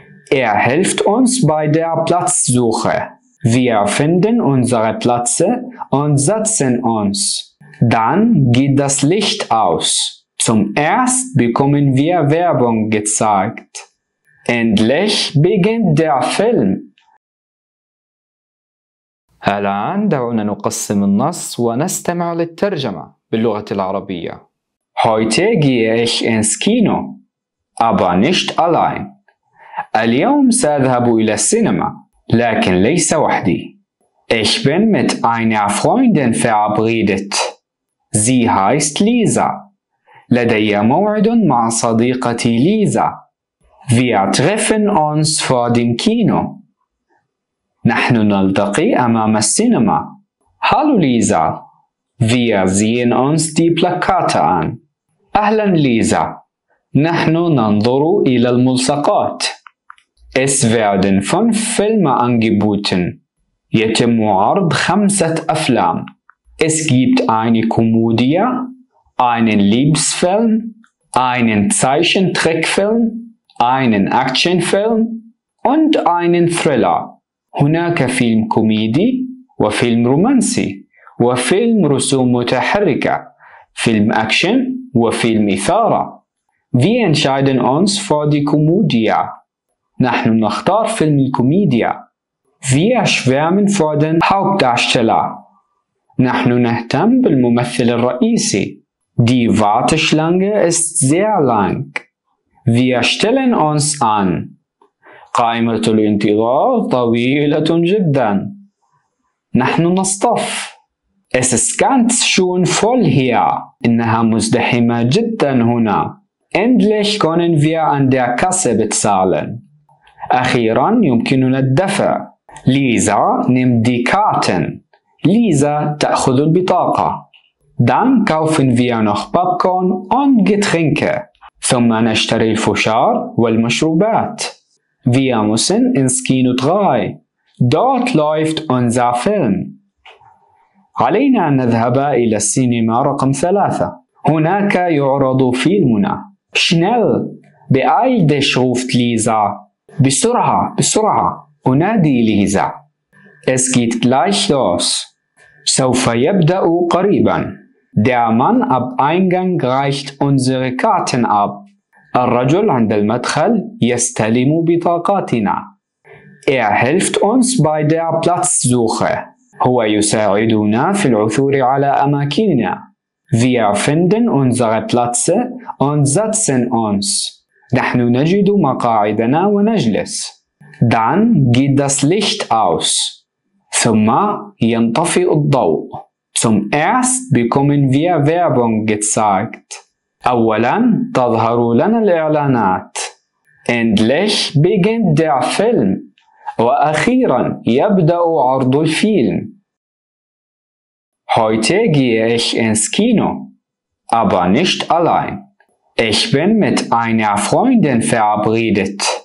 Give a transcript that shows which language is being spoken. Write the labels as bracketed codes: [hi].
[de] Er hilft uns bei der Platzsuche. Wir finden unsere Plätze und setzen uns. Dann geht das Licht aus. Zum Erst bekommen wir Werbung gezeigt. Endlich beginnt der Film. [ar] الآن دعونا نقسم النص ونستمع للترجمة باللغة العربية. [de] Heute gehe ich ins Kino, aber nicht allein. [ar] اليوم سأذهب إلى السينما، لكن ليس وحدي. [de] Ich bin mit einer Freundin verabredet. Sie heißt Lisa. [ar] لدي موعد مع صديقتي ليزا. [de] Wir treffen uns vor dem Kino. [ar] نحن نلتقي أمام السينما. [de] Hallo Lisa, wir sehen uns die Plakate an. [ar] أهلا ليزا، نحن ننظر إلى الملصقات. [de] Es werden 5 Filme angeboten. [ar] يتم عرض 5 أفلام. [de] Es gibt eine Komödie, einen Liebesfilm, einen Zeichentrickfilm, einen Actionfilm und einen Thriller. [ar] هناك فيلم كوميدي وفيلم رومانسي وفيلم رسوم متحركة، فيلم أكشن وفيلم إثارة. [de] Wir entscheiden uns für die Komödie. [ar] نحن نختار فيلم الكوميديا. [de] Wir schwärmen für den Hauptdarsteller. [ar] نحن نهتم بالممثل الرئيسي. [de] Die Warteschlange ist sehr lang. Wir stellen uns an. [ar] قائمة الانتظار طويلة جدا. نحن نصطف. [de] Es ist ganz schön voll hier. [ar] إنها مزدحمة جدا هنا. [de] Endlich können wir an der Kasse bezahlen. [ar] أخيرا يمكننا الدفع. [de] ليزا نيم دي كارتن. [ar] ليزا تأخذ البطاقة. [de] Dann kaufen wir noch Popcorn und Getränke. [ar] ثم نشتري الفشار والمشروبات. [de] Wir müssen ins Kino 3. Dort läuft unser Film. [ar] علينا أن نذهب إلى السينما رقم 3. هناك يعرض فيلمنا. [de] Schnell! Beeil dich, ruft Lisa. [ar] بسرعة بسرعة أنادي ليزا. [de] Es geht gleich los. [ar] سوف يبدأ قريبا. [de] Der Mann am Eingang reicht unsere Karten ab. [ar] الرجل عند المدخل يستلم بطاقاتنا. [de] هيلفت اونس باي دير بلاتس سوخه. [ar] هو يساعدنا في العثور على اماكننا. [de] Wir finden unsere Plätze und setzen uns. [ar] نحن نجد مقاعدنا ونجلس. [de] Dann geht das Licht aus. [ar] ثم ينطفئ الضوء. [de] Zum Erst bekommen wir Werbung gezeigt. [ar] أولا تظهر لنا الإعلانات. [de] Endlich beginnt der Film. [ar] وأخيرا يبدأ عرض الفيلم. [de] Heute gehe ich ins Kino. Aber nicht allein. Ich bin mit einer Freundin verabredet.